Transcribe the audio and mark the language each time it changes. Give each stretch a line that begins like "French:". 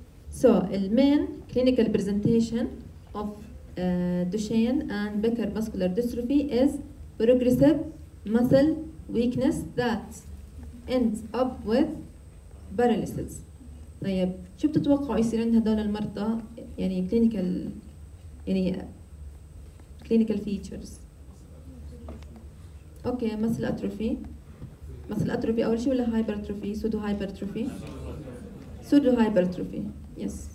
English: So the main clinical presentation of Duchenne and Becker muscular dystrophy is progressive muscle weakness that ends up with paralysis.
Arabic: طيب شو بتتوقعوا يصير عند هذول المرضى يعني clinical يعني clinical features؟
English: Okay, muscle atrophy. Muscle atrophy
Arabic: أول شيء ولا
English: hypertrophy؟ Pseudo hypertrophy. Pseudo hypertrophy. Yes.